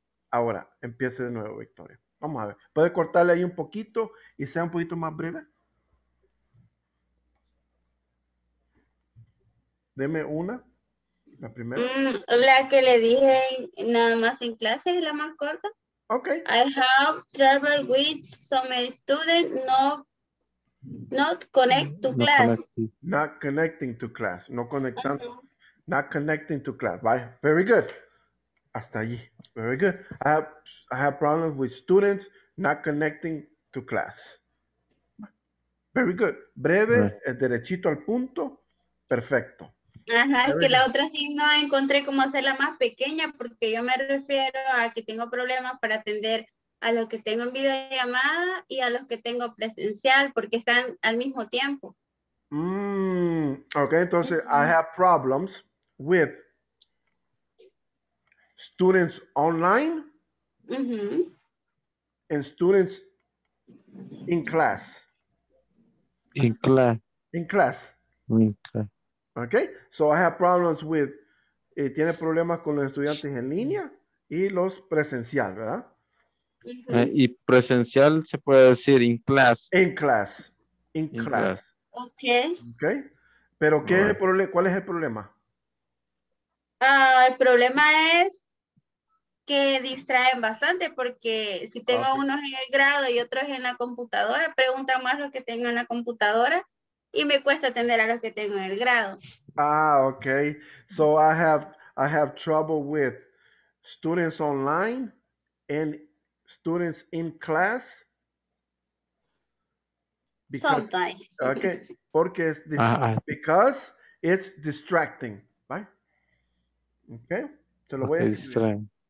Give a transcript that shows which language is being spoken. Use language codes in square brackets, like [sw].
[es] Ahora, empiece de nuevo, Victoria. Vamos a ver. ¿Puede cortarle ahí un poquito y sea un poquito más breve? Deme una, la primera. La que le dije nada más en clase es la más corta. [en] Okay. I have trouble with some student not connect to class. Not connecting to class. [es] No conectando. [en] Uh-huh. Not connecting to class. Bye. Very good. [es] Hasta allí. [en] Very good. I have problems with students not connecting to class. Very good. [es] Breve, [en] right. [es] Derechito al punto. Perfecto. Ajá, es que la otra sí no encontré cómo hacerla más pequeña, porque yo me refiero a que tengo problemas para atender a los que tengo en videollamada y a los que tengo presencial, porque están al mismo tiempo. [en] Okay, [es] entonces, [en] I have problems with students online and students in class. In class. In class. In class. Okay, so I have problems with, [es] tiene problemas con los estudiantes en línea y los presencial, ¿verdad? Y presencial se puede decir [en] in class. In class, in class. Okay. [es] Pero ¿qué es el problema? ¿Cuál es el problema? El problema es que distraen bastante porque si tengo unos en el grado y otros en la computadora, preguntan más los que tengo en la computadora. Y me cuesta atender a los que tengo en el grado. [en] Ah, okay. So I have trouble with students online and students in class. Sometimes. Okay. [es] Porque es [en] because it's distracting, right? Okay. [es] Te lo voy a decir.